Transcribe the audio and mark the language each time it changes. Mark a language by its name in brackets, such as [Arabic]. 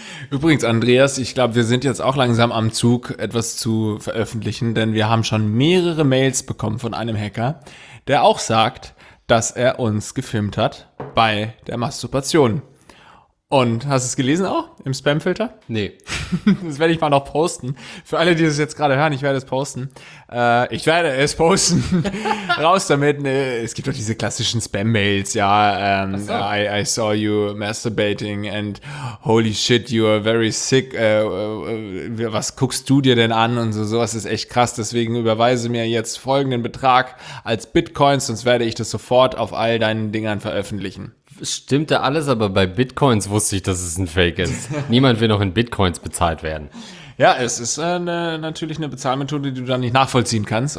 [German] Übrigens, Andreas, ich glaube, wir sind jetzt auch langsam am Zug, etwas zu veröffentlichen, denn wir haben schon mehrere Mails bekommen von einem Hacker, der auch sagt, dass er uns gefilmt hat bei der Masturbation. Und hast du es gelesen auch im Spamfilter? Nee. Das werde ich mal noch posten. Für alle, die das jetzt gerade hören, ich werde es posten. Ich werde es posten. Raus damit. Ne? Es gibt doch diese klassischen Spam-Mails. [English] Ja, I saw you masturbating and holy shit, you are very sick. [German] Was guckst du dir denn an? Und so, sowas ist echt krass. Deswegen überweise mir jetzt folgenden Betrag als Bitcoins, sonst werde ich das sofort auf all deinen Dingern veröffentlichen. Stimmt da alles, aber bei Bitcoins wusste ich, dass es ein Fake ist. Niemand will noch in Bitcoins bezahlt werden. Ja, es ist natürlich eine Bezahlmethode, die du dann nicht nachvollziehen kannst.